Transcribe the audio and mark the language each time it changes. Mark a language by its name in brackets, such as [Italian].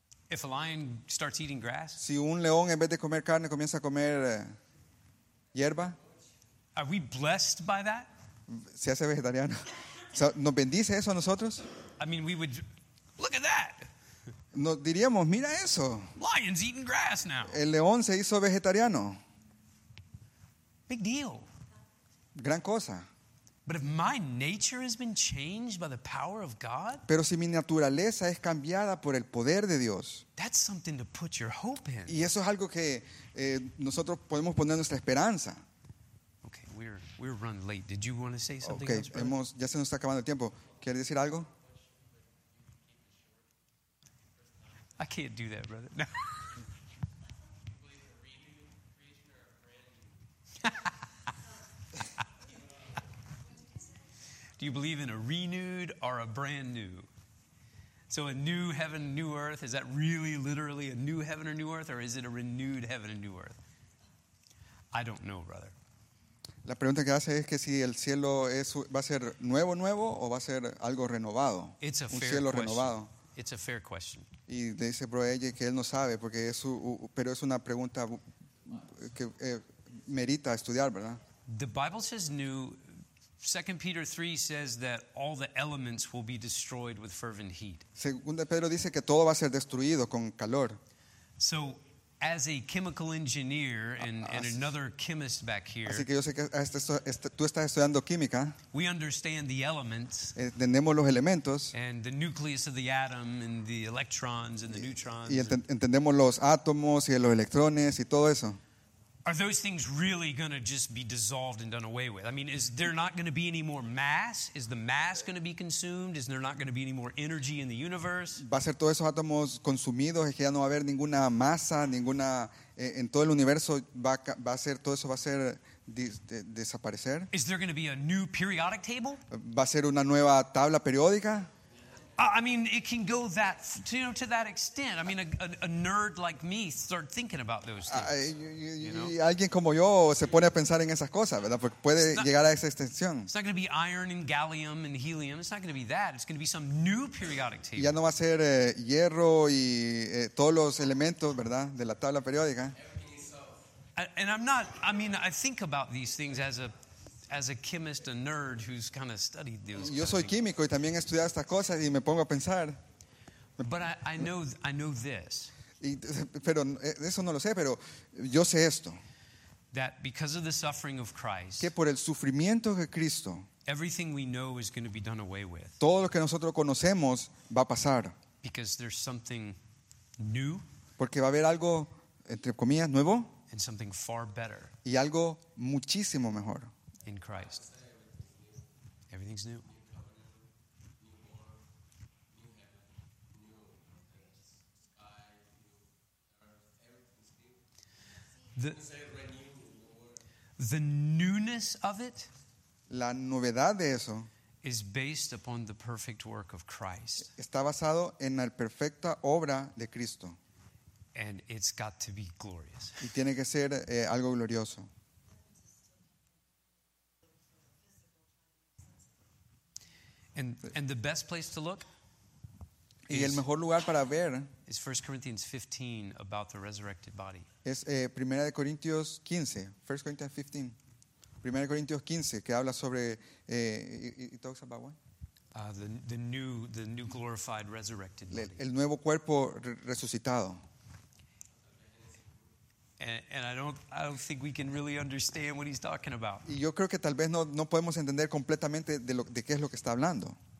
[English] If a lion starts eating grass? [Spanish] Si un león en vez de comer carne comienza a comer hierba? [English] Are we blessed by that? [Spanish] ¿Se hace vegetariano? ¿Nos bendice eso a nosotros? [English] I mean, we would look at that. [Spanish] Nos diríamos, mira eso. [English] Lion's eating grass now. [Spanish] El león se hizo vegetariano. [English] Big deal. [Spanish] Gran cosa. [English] But if my nature has been changed by the power of God, [Spanish] pero si mi naturaleza es cambiada por el poder de Dios, [English] that's something to put your hope in. [Spanish] Y eso es algo que nosotros podemos poner nuestra esperanza. [English] We're running late. Did you want to say something? Okay, else, [Spanish] hemos ya se nos está acabando el tiempo. ¿Quieres decir algo? [English] I can't do that, brother. No. Do you believe in a renewed or a brand new? So a new heaven, new earth, is that really literally a new heaven or new earth, or is it a renewed heaven and new earth? I don't know, brother. [Spanish] La pregunta que hace es que si el cielo es, va a ser nuevo, nuevo, o va a ser algo renovado, un cielo renovado. [English] It's a fair question. [Spanish] Y le dice Bro AJ que él no sabe, porque es pero es una pregunta que merita estudiar, ¿verdad? [English] The Bible says new. 2 Peter 3 says that all the elements will be destroyed with fervent heat. [Spanish] Segunda Pedro dice que todo va a ser destruido con calor. [English] So, as a chemical engineer and another chemist back here, [Spanish] así que yo sé que tú estás estudiando química. [English] We understand the elements. [Spanish] Entendemos los elementos. [English] And the nucleus of the atom and the electrons and the neutrons. [Spanish] Y entendemos los átomos y los electrones y todo eso. [English] Are those things really going to just be dissolved and done away with? I mean, is there not going to be any more mass? Is the mass going to be consumed? Is there not going to be any more energy in the universe? [Spanish] ¿Va a ser todos esos átomos consumidos? ¿Es que ya no va a haber ninguna masa, ninguna en todo el universo? ¿Va a ser todo eso va a ser desaparecer? [English] Is there going to be a new periodic table? [Spanish] ¿Va a ser una nueva tabla periódica? [English] I mean, it can go that, you know, to that extent. I mean, a nerd like me start thinking about those things. [Spanish] Alguien como yo se pone a pensar en esas cosas, ¿verdad? Porque puede llegar a esa extensión. [English] It's not going to be iron and gallium and helium. It's not going to be that. It's going to be some new periodic table. [Spanish] Ya no va a ser hierro y todos los elementos, ¿verdad? De la tabla periódica. [English] And I'm not, I mean, I think about these things as a chemist, a nerd who's kind of studied those. [Spanish] Yo soy químico y también he estudiado estas cosas y me pongo a pensar. [English] But I know this. [Spanish] Pero eso no lo sé, pero yo sé esto. [English] That because of the suffering of Christ. [Spanish] Que por el sufrimiento de Cristo. [English] Everything we know is going to be done away with. [Spanish] Todo lo que nosotros conocemos va a pasar. [English] Because there's something new. [Spanish] Porque va a haber algo entre comillas nuevo. [English] And something far better. [Spanish] Y algo muchísimo mejor. [English] In Christ, everything's new. The newness of it, [Spanish] la novedad de eso, [English] is based upon the perfect work of Christ. [Spanish] Está basado en la perfecta obra de Cristo. [English] And it's got to be glorious. [Spanish] Y tiene que ser algo glorioso. [English] And the best place to look [Spanish] is, y el mejor lugar para ver [English] is 1 Corinthians 15 about the resurrected body. [Spanish] Es Primera de Corintios 15. [English] 1 Corinthians 15. [Spanish] Primera de Corintios 15 que habla sobre [English] it talks about what? the new glorified, resurrected body. [Spanish] El nuevo cuerpo resucitado. [English] And I don't think we can really understand what he's talking about. [Spanish] Y yo creo que tal vez no podemos entender completamente de qué es lo que está hablando.